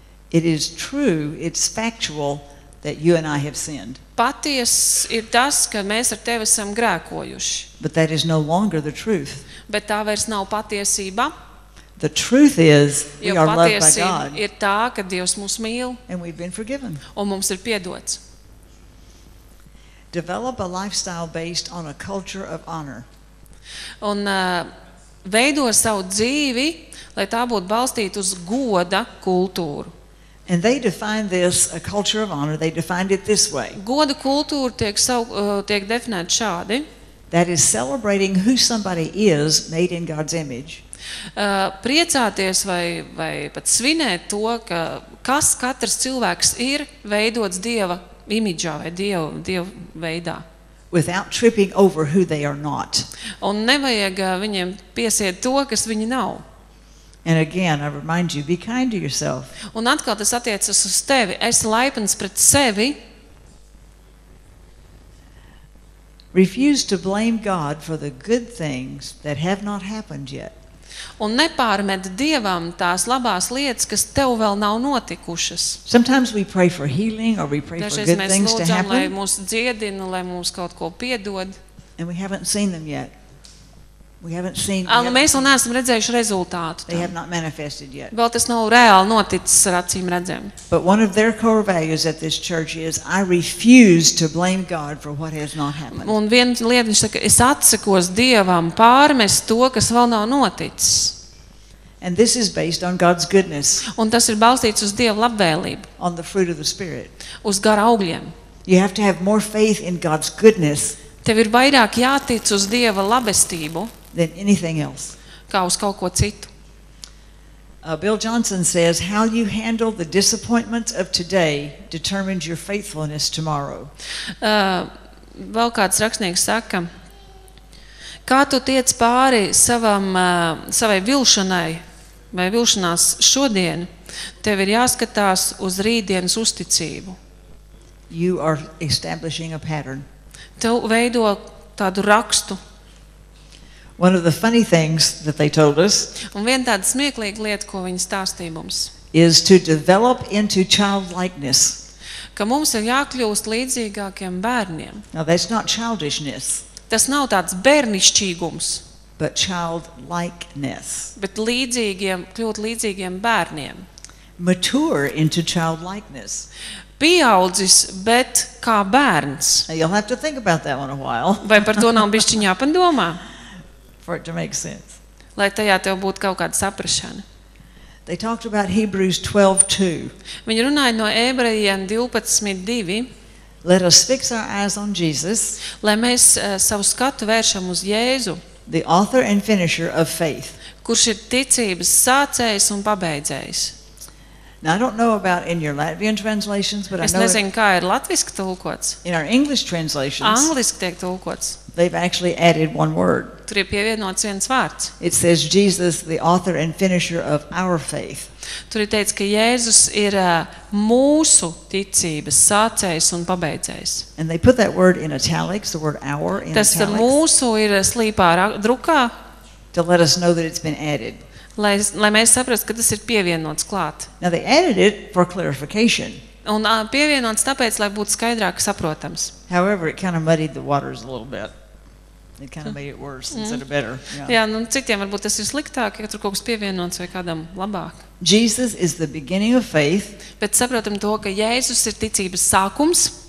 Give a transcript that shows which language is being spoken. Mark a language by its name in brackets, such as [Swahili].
[English] It is true, it's factual that you and I have sinned. [Latvian] Paties ir tas, ka mēs ar tevi esam grēkojuši. [English] But that is no longer the truth. [Latvian] Bet tā vairs nav patiesība. [English] The truth is, we [Latvian] jo [English] are loved by God. [Latvian] Ir tā, ka Dievs mūs mīl. [English] And we've been forgiven. [Latvian] Un mums ir piedots. [English] Develop a lifestyle based on a culture of honor. [Latvian] Un veido savu dzīvi, lai tā būtu balstīta uz goda kultūru. [English] And they define this a culture of honor. They defined it this way. [Latvian] Goda kultūra tiek definēta šādi. [English] That is celebrating who somebody is made in God's image. [Latvian] Priecāties vai pat svinēt to, ka kas katrs cilvēks ir veidots Dieva imidžā vai Dieva veidā. [English] Without tripping over who they are not. [Latvian] Un nevajag viņiem piesiet to, kas viņi nav. [English] And again, I remind you, be kind to yourself. [Latvian] Un atkal tas attiecas uz tevi. Esi laipns pret sevi. [English] Refuse to blame God for the good things that have not happened yet. [Latvian] un nepārmet Dievam tās labās lietas, kas tev vēl nav notikušas. [English] Sometimes we pray for healing or we pray for good things to happen. [Latvian] Lai mūs dziedina, lai mūs kaut ko piedod. [English] And we haven't seen them yet. We haven't seen yet. [Latvian] Mēs vēl neesam redzējuši rezultātu. [English] They have not manifested yet. [Latvian] Vēl tas nav reāli noticis ar acīm redzēm. [English] But one of their core values at this church is I refuse to blame God for what has not happened. [Latvian] Un viena lieta, viņš saka, es atsakos Dievam pārmest to, kas vēl nav noticis. [English] And this is based on God's goodness. [Latvian] Un tas ir balstīts uz Dieva labvēlību. [English] On the fruit of the Spirit. [Latvian] Uz gara augļiem. [English] You have to have more faith in God's goodness. [Latvian] Tev ir vairāk jātic uz Dieva labestību. [English] Than anything else. [Latvian] Kā uz kaut ko citu. [English] Bill Johnson says, how you handle the disappointments of today determines your faithfulness tomorrow. [Latvian] Vēl kāds rakstnieks saka, kā tu tiec pāri savam, savai vilšanai vai vilšanās šodien, tev ir jāskatās uz rītdienas uzticību. [English] You are establishing a pattern. [Latvian] Tev veido tādu rakstu. [English] One of the funny things that they told us. [Latvian] Un viena tāda smieklīga lieta, ko viņi stāstīja mums. [English] Is to develop into childlikeness. [Latvian] Ka mums ir jākļūst līdzīgākiem bērniem. [English] Now that's not childishness. [Latvian] Tas nav tāds bērnišķīgums. [English] But childlikeness. [Latvian] Bet līdzīgiem, kļūt līdzīgiem bērniem. [English] Mature into childlikeness. [Latvian] Pieaudzis, bet kā bērns. [English] You'll have to think about that one a while. [Latvian] Vai par to nav bišķiņ jāpadomā? [English] For it to make sense. [Latvian] Lai tajā tev būtu kaut kāda saprašana. [English] They talked about Hebrews 12:2. [Latvian] Viņi runāja no Ebrejiem 12:2. [English] Let us fix our eyes on Jesus. [Latvian] Lai mēs savu skatu vēršam uz Jēzu. [English] The author and finisher of faith. [Latvian] Kurš ir ticības sācējs un pabeidzējs. [English] Now, I don't know about in your Latvian translations, but [Latvian] es [English] I know [Latvian] nezinu, kā ir latviski tulkots. [English] In our English translations. [Latvian] Angliski tiek tulkots. [English] They've actually added one word. [Latvian] Tur ir pievienots viens vārds. [English] It says Jesus, the author and finisher of our faith. [Latvian] Tur ir teicis, ka Jēzus ir mūsu ticības sācējs un pabeidzējs. [English] And they put that word in italics, the word our in [Latvian] italics. Tas mūsu ir slīpā drukā. [English] To let us know that it's been added. [Latvian] Lai mēs saprastu, ka tas ir pievienots klāt. [English] Now they added it for clarification. [Latvian] Un pievienots tāpēc, lai būtu skaidrāk saprotams. [English] However, it kind of muddied the waters a little bit. It kind of made it worse instead of better. Yeah. [Latvian] Jā, nu citiem varbūt tas ir sliktāk, ja tur kaut kas pievienots vai kādam labāk. [English] Jesus is the beginning of faith. [Latvian] Bet saprotam to, ka Jēzus ir ticības sākums.